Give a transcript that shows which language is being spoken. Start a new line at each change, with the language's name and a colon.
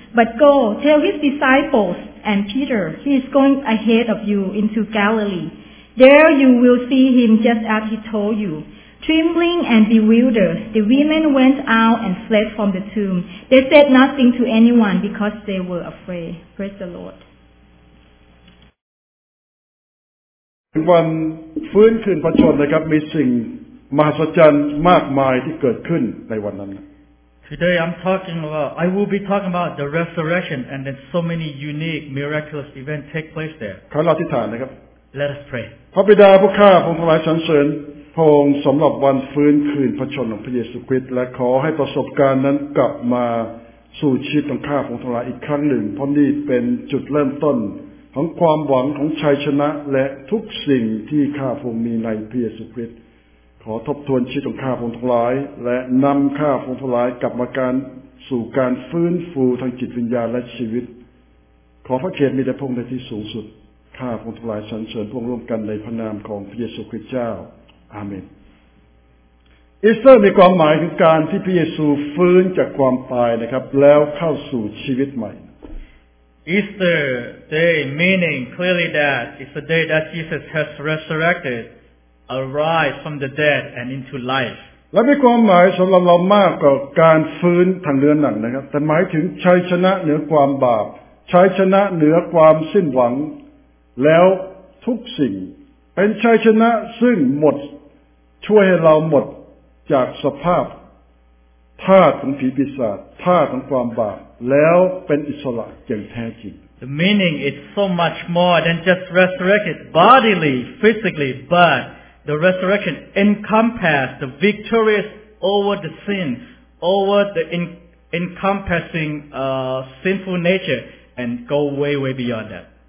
English: But go, tell his disciples and Peter, he is going ahead of you into Galilee. There you will see him just as he told you." Trembling and bewildered, the women went out and fled from the tomb. They said nothing to anyone because they were afraid. Praise the Lord.
Thai: วันฟื้นคืนพระชนนะครับมีสิ่งมหัศจรรย์มากมายที่เกิดขึ้นในวันนั้น
English: Today I'm talking about I will be talking about the resurrection and then so many unique miraculous events take place there
Thai: ขอเราอธิษฐานนะครับ
English: Let us pray
Thai: พระบิดาผู้ข้าพงถวายสรรเสริญพระองค์สำหรับวันฟื้นคืนพระชนของพระเยซูคริสต์และขอให้ประสบการณ์นั้นกลับมาสู่ชีวิตของข้าพงถวายอีกครั้งหนึ่งเพราะนี่เป็นจุดเริ่มต้นของความหวังของชัยชนะและทุกสิ่งที่ข้าพงศ์มีในพระเยซูคริสต์ขอทบทวนชีวิตของข้าพงศ์ทั้งหลายและนำข้าพงศ์ทั้งหลายกลับมาการสู่การฟื้นฟูทางจิตวิญญาณและชีวิต ขอพระเกียรติมีแด่พระองค์ในที่สูงสุดข้าพงศ์ทั้งหลายสรรเสริญพระองค์ร่วมกันในพระนามของพระเยซูคริสต์เจ้าอาเมนอีสเตอร์มีความหมายถึงการที่พระเยซูฟื้นจากความตายนะครับแล้วเข้าสู่ชีวิตใหม่
English: Easter day meaning clearly that it's the day that Jesus has resurrected, arise from the dead and into life.
Thai: และมีความหมายสำหรับเรามากกว่าการฟื้นทางเนื้อหนังนะครับแต่หมายถึงชัยชนะเหนือความบาปชัยชนะเหนือความสิ้นหวังแล้วทุกสิ่งเป็นชัยชนะซึ่งหมดช่วยให้เราหมดจากสภาพทาสของผีปีศาจทาสของความบาปแล้วเป็นอิสระอย่างแท้จริง
English: The meaning is so much more than just resurrected bodily, physically, but the resurrection encompasses the victorious over the sin, over the encompassing sinful nature, and go way, way beyond that.